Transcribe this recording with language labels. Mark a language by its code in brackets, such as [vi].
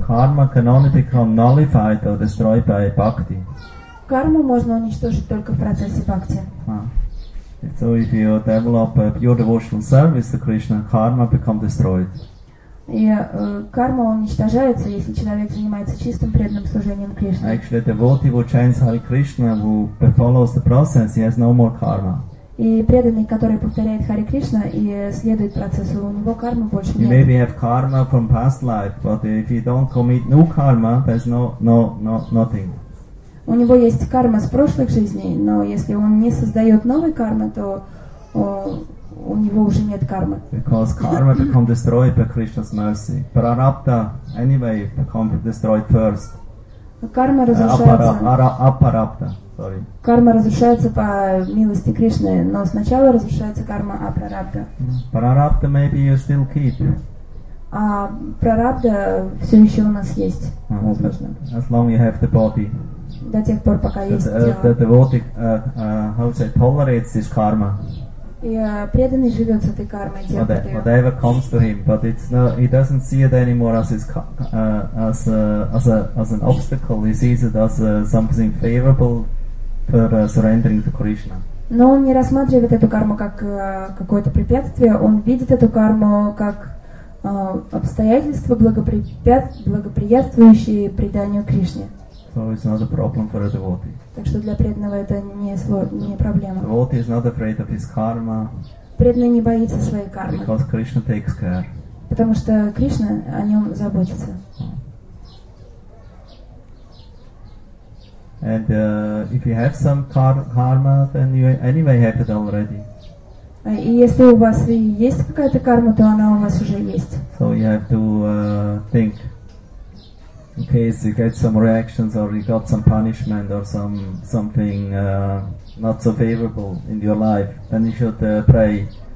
[en] Karma can only become nullified or destroyed by bhakti. [ru] Карму можно уничтожить только в процессе бхакти. [en] So if you develop a pure devotional service to Krishna, karma become destroyed. [ru] И карма уничтожается, если человек занимается чистым преданным служением Кришне. [en] Actually, a devotee who chants Hare Krishna, who follows the process, he has no more karma. [ru] И преданный, который повторяет Харе Кришна и следует процессу, у него кармы больше нет. [en] He maybe have karma from past life, but if he don't commit new karma, there's nothing. [ru] У него есть карма с прошлых жизней, но если он не создает новой кармы, то у него уже нет кармы. [en] Because karma become destroyed by Krishna's mercy. Prarabdha anyway become destroyed first. [ru] Карма разрушается. [en] Апарабдха, sorry. [ru] Карма разрушается по милости Кришны, но сначала разрушается карма апарабдха. [en] Прарабдха maybe you still keep. [ru] А прарабдха все еще у нас есть, возможно. [en] As long you have the body. [ru] До тех пор, пока есть тело. [en] The devotee, tolerates this karma. [ru] И преданный живет с этой кармой, тем, [en] what [ru] кто [en] whatever comes to him, but it's not, he doesn't see it anymore as his as an obstacle. He sees it as something favorable for surrendering to Krishna. [ru] Но он не рассматривает эту карму как какое-то препятствие. Он видит эту карму как обстоятельство, благоприятствующее преданию Кришне. [en] So it's not a problem for a devotee. [ru] Так что для преданного это не проблема. [en] Devotee is not afraid of his karma. [ru] Преданный не боится своей кармы. [en] Because Krishna takes care. [ru] Потому что Кришна о нем заботится. [en] And if you have some karma, then you anyway have it already. [ru] И если у вас есть какая-то карма, то она у вас уже есть. [en] So you have to think. In case you get some reactions or you got some punishment or something not so favorable in your life, then you should pray.